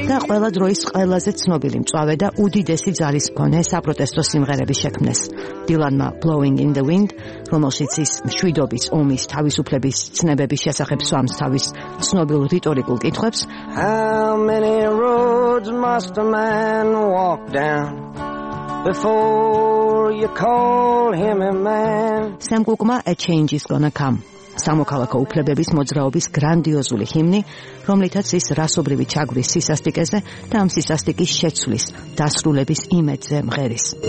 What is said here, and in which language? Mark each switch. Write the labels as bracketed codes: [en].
[ka] ყველა დროის ყველაზე ცნობილი მწვავე და უდიდესი ძალის მქონე საპროტესტო სიმღერების შექმნეს. დილანმა Blowing in the Wind, რომელშიც ის მშვიდობის, ომის, თავისუფლების ცნებების შესახებ სვამს თავის ცნობილ რიტორიკულ კითხვებს. [en] How many roads must a man walk down before you call him a man? [ka] Sam Cooke-მა A Change is Gonna Come. სამოქალაქო უფლებების მოძრაობის გრანდიოზული ჰიმნი, რომლითაც ის რასობრივი ჩაგვრის სისასტიკეზე და ამ სისასტიკის შეცვლის, დასრულების იმედზე მღერის.